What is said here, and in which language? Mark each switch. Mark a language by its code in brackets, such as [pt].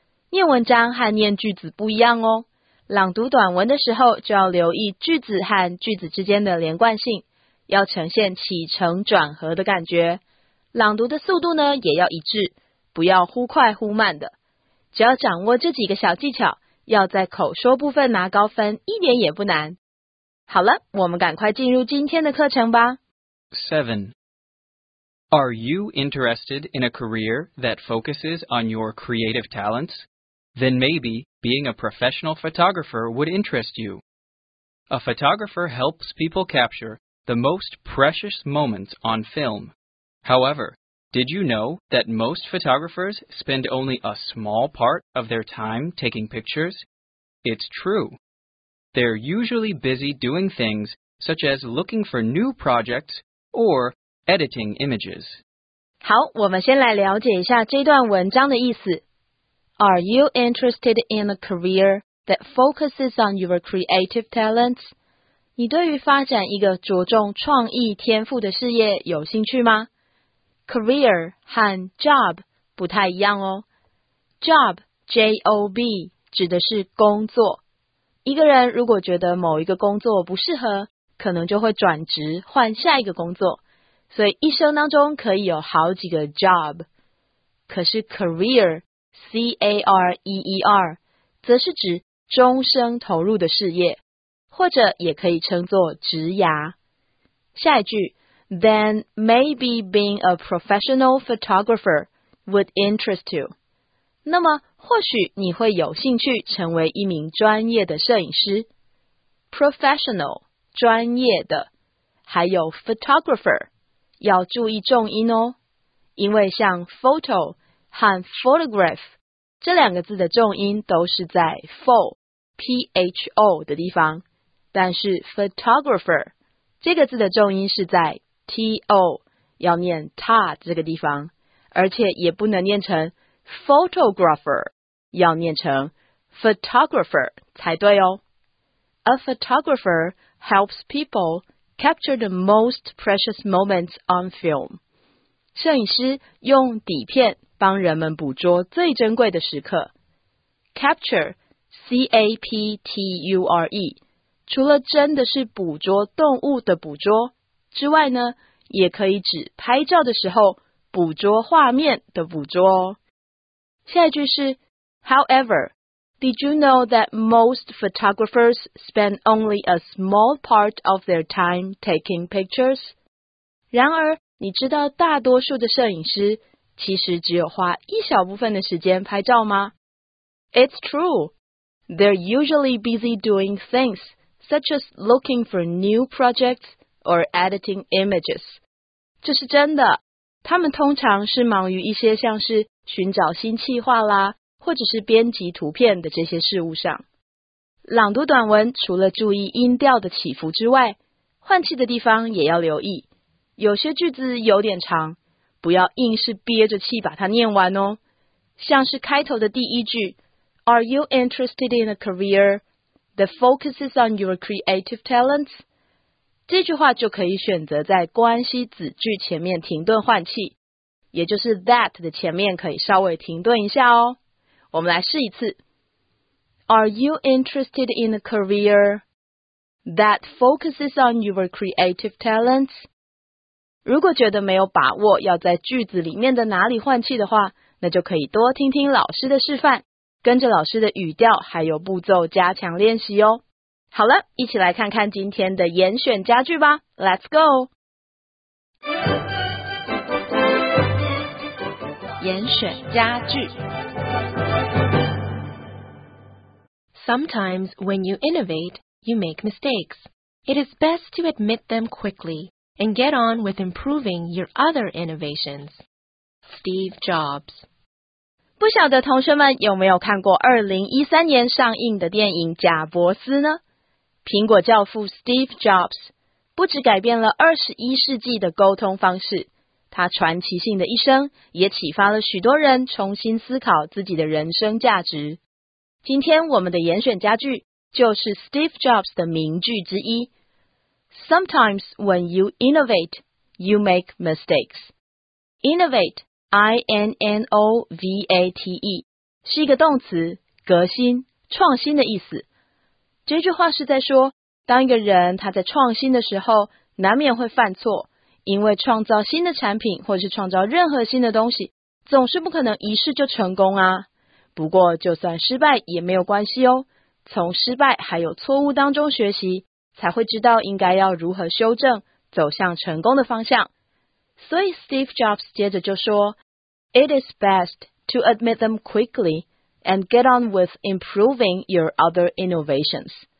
[zh] 念文章和念句子不一样哦。朗读短文的时候就要留意句子和句子之间的连贯性，要呈现起承转合的感觉。朗读的速度呢也要一致，不要忽快忽慢的。只要掌握这几个小技巧，要在口说部分拿高分一点也不难。好了，我们赶快进入今天的课程吧。 [en] 7. Are you interested in a career that focuses on your creative talents? Then maybe being a professional photographer would interest you. A photographer helps people capture the most precious moments on film. However, did you know that most photographers spend only a small part of their time taking pictures? It's true. They're usually busy doing things such as looking for new projects or editing images. [zh] 好，我们先来了解一下这段文章的意思。 [en] Are you interested in a career that focuses on your creative talents? [zh] 你对于发展一个着重创意天赋的事业有兴趣吗？ Career 和 job 不太一样哦。Job, J-O-B, 指的是工作。一个人如果觉得某一个工作不适合，可能就会转职换下一个工作。所以一生当中可以有好几个 job。可是 career, C-A-R-E-E-R, 则是指终生投入的事业，或者也可以称作职涯。下一句， [en] Then maybe being a professional photographer would interest you. [zh] 那么或许你会有兴趣成为一名专业的摄影师。 Professional, 专业的。还有 photographer, 要注意重音哦。因为像 photo 和 photograph, 这两个字的重音都是在 pho 的地方。但是 photographer, 这个字的重音是在T-O, 要念 ta 这个地方，而且也不能念成 photographer, 要念成 photographer 才对哦。 [en] A photographer helps people capture the most precious moments on film. [zh] 摄影师用底片帮人们捕捉最珍贵的时刻。 Capture, C-A-P-T-U-R-E, 除了真的是捕捉动物的捕捉之外呢，也可以指拍照的时候捕捉画面的捕捉哦。下一句是 [en] However, did you know that most photographers spend only a small part of their time taking pictures? [zh] 然而，你知道大多数的摄影师其实只有花一小部分的时间拍照吗？ It's true. They're usually busy doing things such as looking for new projects,or editing images. 这是真的，他们通常是忙于一些像是寻找新企划啦，或者是编辑图片的这些事物上。朗读短文除了注意音调的起伏之外，换气的地方也要留意。有些句子有点长，不要硬是憋着气把它念完哦。像是开头的第一句 [en] Are you interested in a career that focuses on your creative talents? [zh] 这句话就可以选择在关系子句前面停顿换气，也就是 that 的前面可以稍微停顿一下哦。我们来试一次。 [en] Are you interested in a career that focuses on your creative talents? [zh] 如果觉得没有把握要在句子里面的哪里换气的话，那就可以多听听老师的示范，跟着老师的语调还有步骤加强练习哦。好了，一起来看看今天的严选家具吧。 [en] Let's go! [zh] 严选家具。 [en] Sometimes when you innovate, you make mistakes. It is best to admit them quickly and get on with improving your other innovations. Steve Jobs. [zh] 不晓得同学们有没有看过2013年上映的电影《贾伯斯》呢？苹果教父 Steve Jobs 不只改变了21世纪的沟通方式，他传奇性的一生也启发了许多人重新思考自己的人生价值。今天我们的严选家具就是 Steve Jobs 的名句之一。 [en] Sometimes when you innovate, you make mistakes. [zh] Innovate, I-N-N-O-V-A-T-E, 是一个动词，革新、创新的意思。这句话是在说，当一个人他在创新的时候，难免会犯错，因为创造新的产品或是创造任何新的东西，总是不可能一试就成功啊。不过就算失败也没有关系哦，从失败还有错误当中学习，才会知道应该要如何修正，走向成功的方向。所以 Steve Jobs 接着就说， [en] It is best to admit them quickly and get on with improving your other innovations.